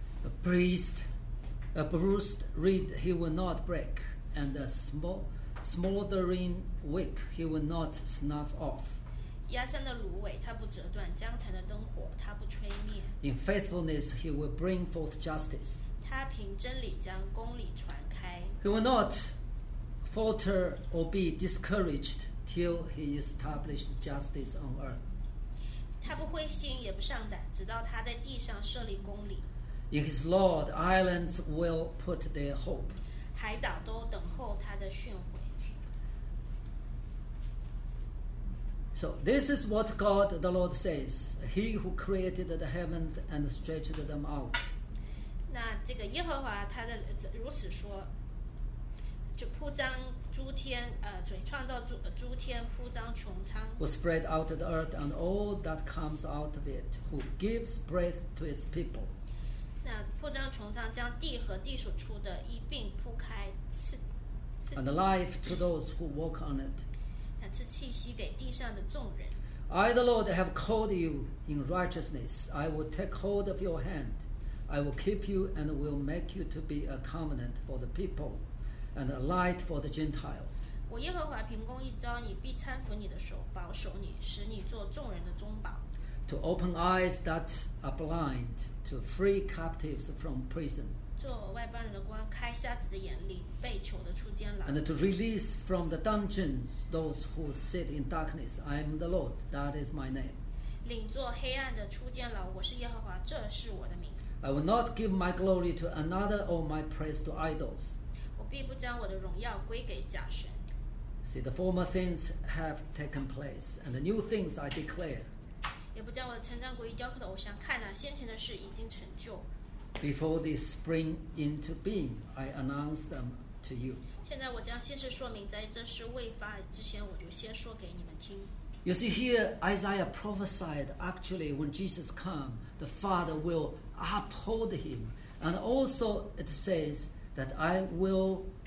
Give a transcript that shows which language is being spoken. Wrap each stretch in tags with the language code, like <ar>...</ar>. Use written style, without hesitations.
<en>A bruised reed he will not break, and a smoldering wick he will not snuff off.</en> <zh>压山的芦苇他不折断，江城的灯火他不吹灭。</zh> <en>In faithfulness he will bring forth justice.</en> <zh>他凭真理将公理传开。</zh> <en>He will not falter or be discouraged till he establishes justice on earth.</en> <zh>他不灰心也不上胆，直到他在地上设立公理。</zh> <en>In his law the islands will put their hope.</en> <zh>海岛都等候他的训诲。</zh> <en>So this is what God the Lord says, He who created the heavens and stretched them out.</en> <zh>那这个耶和华他的如此说，就铺张诸天，创造诸天，铺张穹苍。</zh> <en>Who spread out the earth and all that comes out of it, who gives breath to its people.</en> <zh>那铺张穹苍，将地和地所出的一并铺开，赐。</zh> <en>And life to those who walk on it.</en> <zh>是气息给地上的众人。</zh> <en>I the Lord have called you in righteousness. I will take hold of your hand. I will keep you and will make you to be a covenant for the people and a light for the Gentiles.</en> <zh>我耶和华凭公义招你，必搀扶你的手，保守你，使你做众人的中保。</zh> <en>To open eyes that are blind, to free captives from prison.</en> <zh>做外邦人的光，开瞎子的眼，领被囚的出监牢。</zh> <en>And to release from the dungeons those who sit in darkness, I am the Lord, that is my name.</en> <zh>领坐黑暗的出监牢，我是耶和华，这是我的名。</zh> <en>I will not give my glory to another or my praise to idols.</en> <zh>我必不将我的荣耀归给假神。</zh> <en>See, the former things have taken place, and the new things I declare.</en> <zh>也不将我的称赞归于雕刻的偶像，看哪，先前的事已经成就。</zh> <en>Before they spring into being, I announce them to you.</en> <zh>现在我将先是说明，在这事未发之前，我就先说给你们听。</zh> <en>You see here, Isaiah prophesied. Actually, when Jesus come, the Father will uphold him, and also it says that I will.</en>